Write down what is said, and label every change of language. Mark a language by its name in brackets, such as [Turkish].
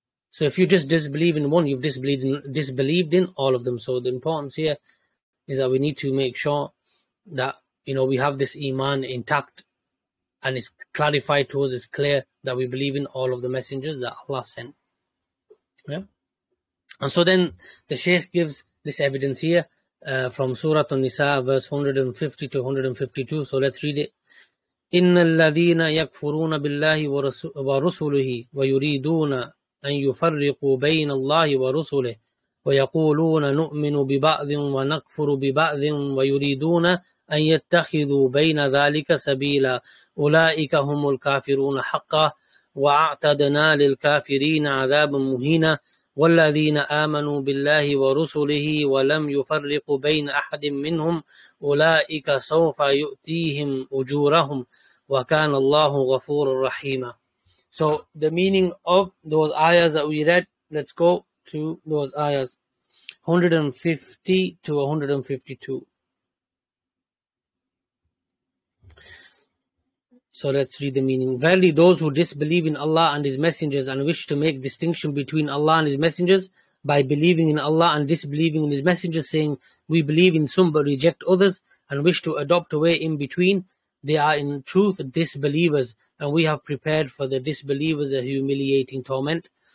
[English] So if you just disbelieve in one, you've disbelieved in all of them. So the importance here is that we need to make sure that, you know, we have this iman intact, and it's clarified to us, it's clear that we believe in all of the messengers that Allah sent. Yeah. And so then the Shaykh gives this evidence here from Surah An-Nisa, verse 150 to 152. So let's read it. [Arabic] إِنَّ الَّذِينَ يَكْفُرُونَ بِاللَّهِ وَرُسُلُهِ وَيُرِيدُونَ أَنْ يُفَرِّقُوا بَيْنَ اللَّهِ وَرُسُلِهِ وَيَقُولُونَ نُؤْمِنُ بِبَعْضٍ وَنَكْفُرُ بِبَعْضٍ وَيُرِيدُونَ أَنْ يَتَّخِذُوا بَيْنَ ذَلِكَ سَبِيلًا أُولَئِكَ هُمُ الْكَافِرُونَ حَقًّا وَأَعْتَدْنَا لِلْكَافِرِينَ عَذَابًا مُهِينًا والذين آمنوا بالله ورسله ولم يفرقوا بين أحد منهم أولئك سوف يؤتيهم أجورهم وكان الله غفور رحيما. [English] So the meaning of those ayahs that we read, let's go to those ayahs 150 to 152. So let's read the meaning. Verily, those who disbelieve in Allah and His messengers and wish to make distinction between Allah and His messengers by believing in Allah and disbelieving in His messengers, saying, we believe in some but reject others, and wish to adopt a way in between, they are in truth disbelievers, and we have prepared for the disbelievers a humiliating torment.